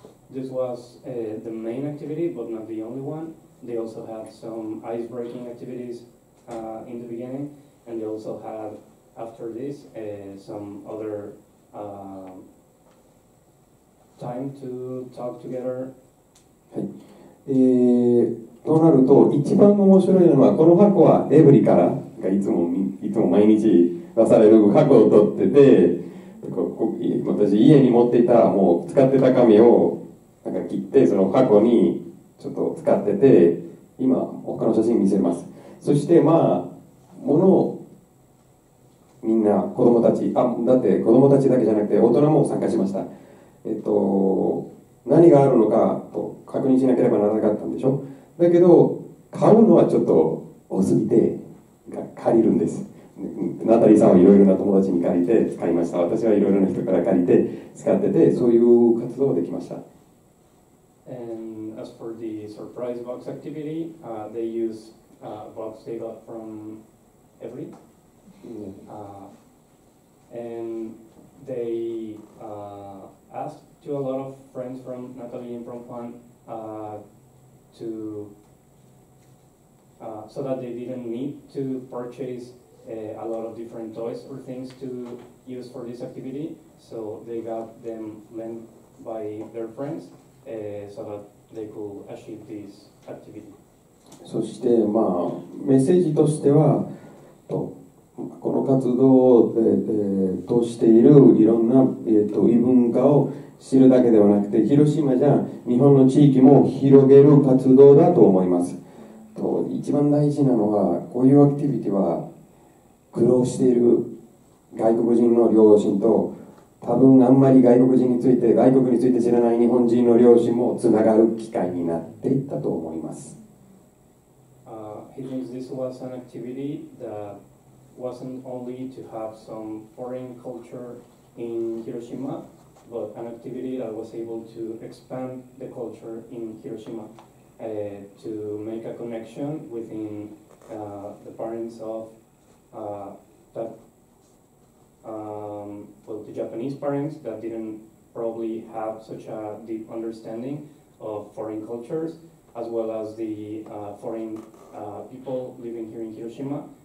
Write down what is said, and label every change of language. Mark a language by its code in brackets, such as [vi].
[en] This was the main activity, but not the only one. They also had some ice-breaking activities in the beginning, and they also had after this some other time to talk together. [ja] はい。となると一番面白いのはこの箱はエブリからがいつも毎日出される箱を取ってて。私家に持っていたもう使ってた紙をなんか切ってその箱にちょっと使ってて、今他の写真見せます。そしてまあ物をみんな子供たち、あ、だって子供たちだけじゃなくて大人も参加しました。何があるのかと確認しなければならなかったんでしょ。だけど買うのはちょっと多すぎて借りるんです。ナタリーさんはいろいろな友達に借りて使いました。私はいろいろな人から借りて使ってて、そういう活動ができました。 [en] And as for the surprise box activity, they use a box they got from every. And they asked to a lot of friends from Natalie and from Juan so that they didn't need to purchase. A lot of different toys or things to use for this activity, so they got them lent by their friends, so that they could achieve this activity. [ja] そしてまあメッセージとしては、とこの活動を通しているいろんな異文化を知るだけではなくて、広島じゃ日本の地域も広げる活動だと思います。と一番大事なのはこういうアクティビティは苦労している外国人の両親と、多分あんまり外国について知らない日本人の両親もつながる機会になっていったと思います。 [en] He thinks this was an activity that wasn't only to have some foreign culture in Hiroshima, but an activity that was able to expand the culture in Hiroshima, to make a connection within the parents of that, well, the Japanese parents that didn't probably have such a deep understanding of foreign cultures, as well as the foreign people living here in Hiroshima.